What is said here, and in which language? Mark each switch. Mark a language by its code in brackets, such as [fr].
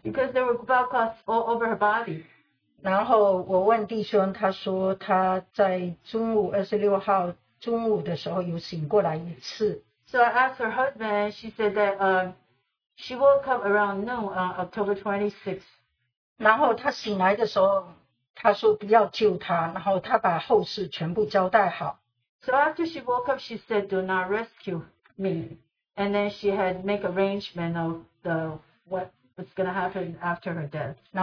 [en] because there were blood clots all over her body. [zh] 然后我问弟兄，他说他在中午26号中午的时候有醒过来一次。 [en] So I asked her husband, and she said that she woke up around noon on October 26th. [zh] 然后他醒来的时候,他说不要救他,然后他把后事全部交代好。 [en] So after she woke up, she said, do not rescue me. And then she had make arrangement of the what was going to happen after her death.